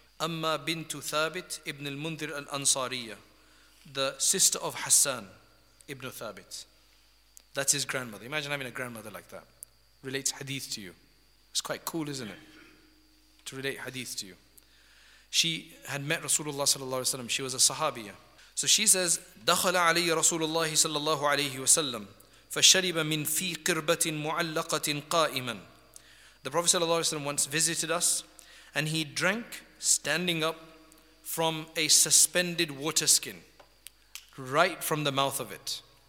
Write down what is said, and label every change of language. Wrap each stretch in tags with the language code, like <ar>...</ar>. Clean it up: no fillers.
<en>Amma bintu Thabit ibn al-Mundhir al-Ansariya, the sister of Hassan ibn Thabit. That's his grandmother. Imagine having a grandmother like that. Relates hadith to you. It's quite cool, isn't it? To relate hadith to you. She had met Rasulullah sallallahu alayhi wa sallam. She was a sahabiya. So she says,</en> <ar>دخل علي رسول الله صلى الله عليه وسلم فشرب من في قربة معلقة قائما.</ar> <en>The Prophet صلى الله عليه وسلم once visited us and he drank standing up from a suspended water skin right from the mouth of it.</en>